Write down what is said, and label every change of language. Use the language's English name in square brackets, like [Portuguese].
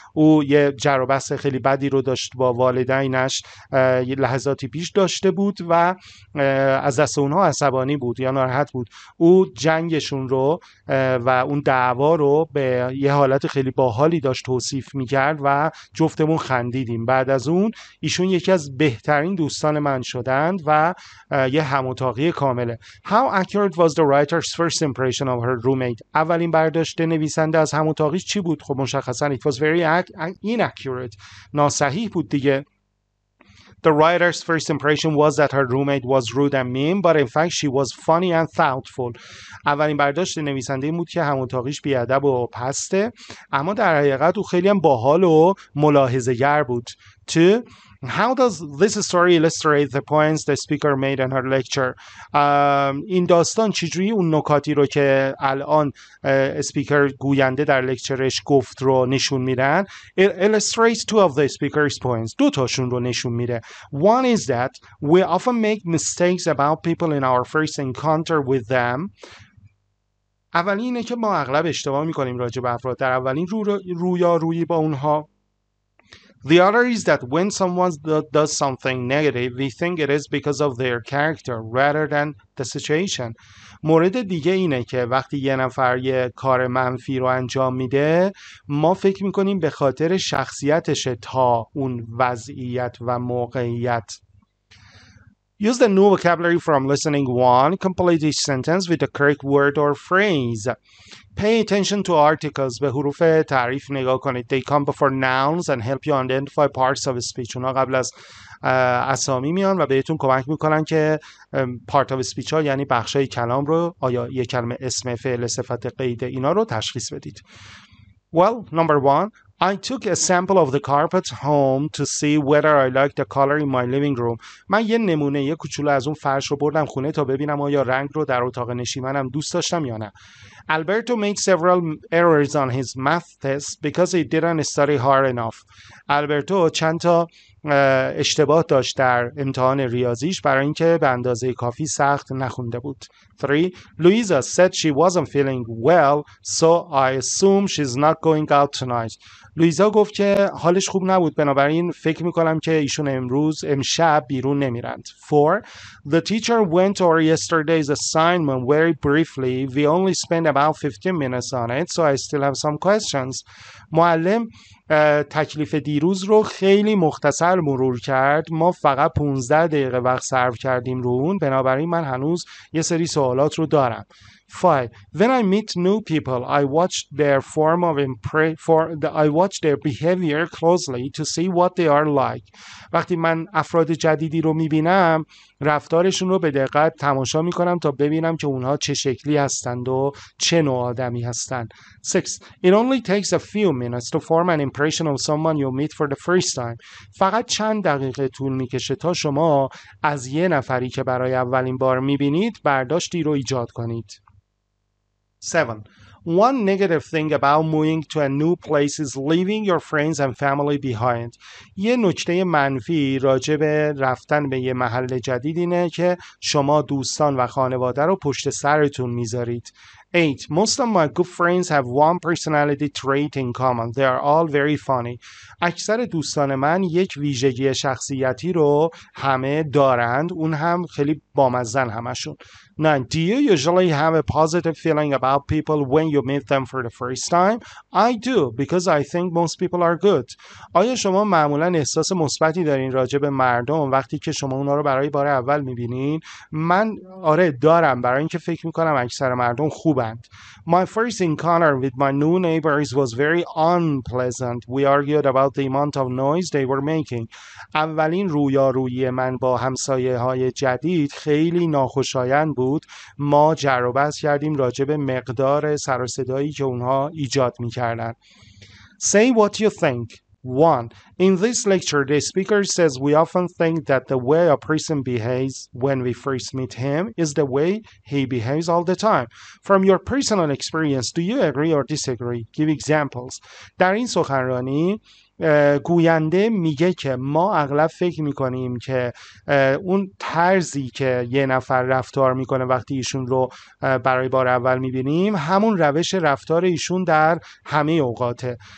[Persian] او یه جر و بحث خیلی بدی رو داشت با والدینش لحظاتی پیش داشته بود و از دست اونها عصبانی بود یا ناراحت بود. او جنگشون رو و اون دعوا رو به یه حالت خیلی باحالی داشت توصیف میکرد و جفتمون خندیدیم. بعد از اون ایشون یکی از بهترین دوستان من شدند و یه هم‌اتاقی کامله. [English] How accurate was the writer's first impression of her roommate? [Persian] اولین برداشت نویسنده از هم‌اتاقیش چی بود؟ خب مشخصاً [English] it was very inaccurate. [Persian] ناصحیح بود دیگه. [English] The writer's first impression was that her roommate was rude and mean, but in fact she was funny and thoughtful. [Persian] اولین برداشت نویسنده این بود که هم‌اتاقیش بی‌ادب و پسته، اما در حقیقت او خیلی هم باحال و ملاحظه‌گر بود. 2. [English] How does this story illustrate the points the speaker made in her lecture? [Persian] این داستان چجوری اون نکاتی رو که الان speaker گوینده در لکچرش گفت رو نشون میدن؟ [English] It illustrates two of the speaker's points. [Persian] دو تاشون رو نشون میده. [English] One is that we often make mistakes about people in our first encounter with them. [Persian] اولین اینه که ما اغلب اشتباه میکنیم راجع به افراد در اولین رویارویی با اونها. [English] The other is that when someone does something negative, we think it is because of their character rather than the situation. [Persian] مورد دیگه اینه که وقتی یه نفر یه کار منفی رو انجام میده، ما فکر میکنیم به خاطر شخصیتش تا اون وضعیت و موقعیت. [English] Use the new vocabulary from listening one. Complete each sentence with the correct word or phrase. Pay attention to articles. [Persian] به حروف تعریف نگاه کنید. [English] They come before nouns and help you identify parts of speech. [Persian] اونا قبل از اسامی میان و بهتون کمک میکنن که part of speech ها یعنی بخش های کلام رو آیا یک کلمه اسم فعل صفت قید اینا رو تشخیص بدید. [English] Well, number one. I took a sample of the carpet home to see whether I liked the color in my living room. [Persian] من یه نمونه یه کوچولو از اون فرش رو بردم خونه تا ببینم آیا رنگ رو در اتاق نشیمنم دوست داشتم یا نه. [English] Alberto made several errors on his math test because he didn't study hard enough. [Persian] Alberto چند تا اشتباه داشت در امتحان ریاضیش برای اینکه به اندازه کافی سخت نخونده بود. [English] 3. Luisa said she wasn't feeling well, so I assume she's not going out tonight. [Persian] لویزا گفت که حالش خوب نبود، بنابراین فکر میکنم که ایشون امروز امشب بیرون نمیرند. [English] 4. The teacher went over yesterday's assignment very briefly. We only spent about 15 minutes on it, so I still have some questions. [Persian] معلم تکلیف دیروز رو خیلی مختصر مرور کرد. ما فقط 15 دقیقه وقت صرف کردیم رو اون، بنابراین من هنوز یه سری سوالات رو دارم. [English] 5. When I meet new people, I watch their form of I watch their behavior closely to see what they are like. [Persian] وقتی من افراد جدیدی رو میبینم، رفتارشون رو به دقت تماشا میکنم تا ببینم که اونها چه شکلی هستند و چه نوع آدمی هستند. [English] 6. It only takes a few minutes to form an impression of someone you meet for the first time. [Persian] فقط چند دقیقه طول میکشه تا شما از یه نفری که برای اولین بار میبینید برداشتی رو ایجاد کنید. [English] 7. One negative thing about moving to a new place is leaving your friends and family behind. [Persian] یه نکته منفی راجع به رفتن به یه محل جدید اینه که شما دوستان و خانواده رو پشت سرتون میذارید. [English] 8. Most of my good friends have one personality trait in common. They are all very funny. [Persian] اکثر دوستان من یک ویژگی شخصیتی رو همه دارند. اون هم خیلی بامزن همشون. 9. [English] Do you usually have a positive feeling about people when you meet them for the first time? I do, because I think most people are good. [Persian] آیا شما معمولا احساس مثبتی دارین راجع به مردم وقتی که شما اونا رو برای بار اول میبینین؟ من آره دارم، برای اینکه فکر میکنم اکثر مردم خوبند. [English] My first encounter with my new neighbors was very unpleasant. We argued about the amount of noise they were making. [Persian] اولین رویارویی من با همسایه های جدید خیلی ناخوشایند بود. ما جر و بحث کردیم راجع به مقدار سر و صدایی که اونها ایجاد می‌کردن. [English] Say what you think. 1. In this lecture, the speaker says we often think that the way a person behaves when we first meet him is the way he behaves all the time. From your personal experience, do you agree or disagree? Give examples. [Persian] در این سخنرانی گوینده میگه که ما اغلب فکر میکنیم که اون طرزی که یه نفر رفتار میکنه وقتی ایشون رو برای بار اول میبینیم همون روش رفتار ایشون در همه اوقاته.